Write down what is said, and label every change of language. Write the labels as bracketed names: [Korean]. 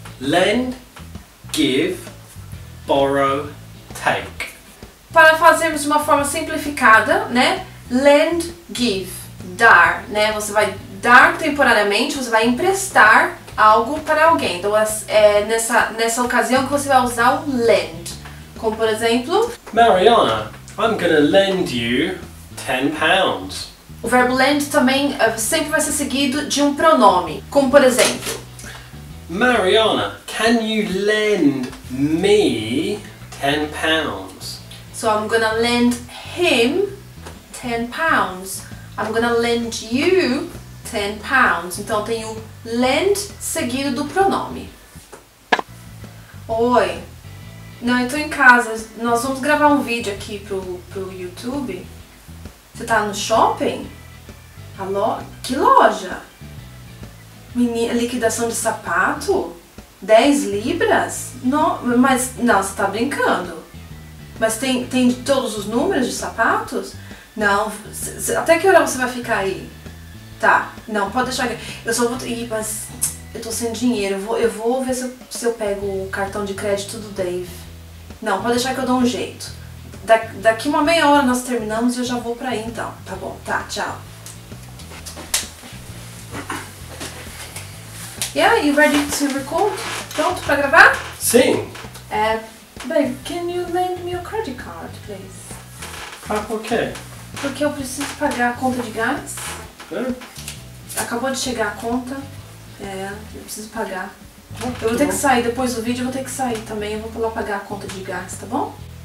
[English] Lend, give, borrow, take. [Portuguese] Para fazermos de uma forma simplificada, né? Lend, give, dar, né? Você vai dar temporariamente, você vai emprestar algo para alguém. Então, é nessa ocasião que você vai usar o lend. Como, por exemplo, [English] Mariana, I'm gonna lend you 10 pounds. [Portuguese] O verbo lend também sempre vai ser seguido de um pronome. Como, por exemplo, [English] Mariana, can you lend me 10 pounds? So, I'm gonna lend him 10 pounds. I'm gonna lend you 10 pounds. [Portuguese] Então, tem o lend seguido do pronome. Oi. Não, eu tô em casa. Nós vamos gravar um vídeo aqui pro YouTube. Você tá no shopping? Alô? Que loja? Menina, liquidação de sapato? 10 libras? Não, mas não, você tá brincando. Mas tem todos os números de sapatos? Não, até que hora você vai ficar aí? Tá, não, pode deixar aqui. Eu só vou. Ih, mas eu tô sem dinheiro. Eu vou ver se eu pego o cartão de crédito do Dave. Não, pode deixar que eu dou um jeito. Daqui uma meia hora nós terminamos e eu já vou pra aí então. Tá bom, tá, tchau. [English] Yeah, you ready to record? [Portuguese] Pronto pra gravar? Sim. [English] Babe, can you lend me your credit card, please? [Portuguese] Ah, por quê? Porque eu preciso pagar a conta de gás. Acabou de chegar a conta. É, eu preciso pagar. Eu vou ter que sair depois do vídeo. Eu vou ter que sair também. Eu vou lá pagar a conta de gás, tá bom?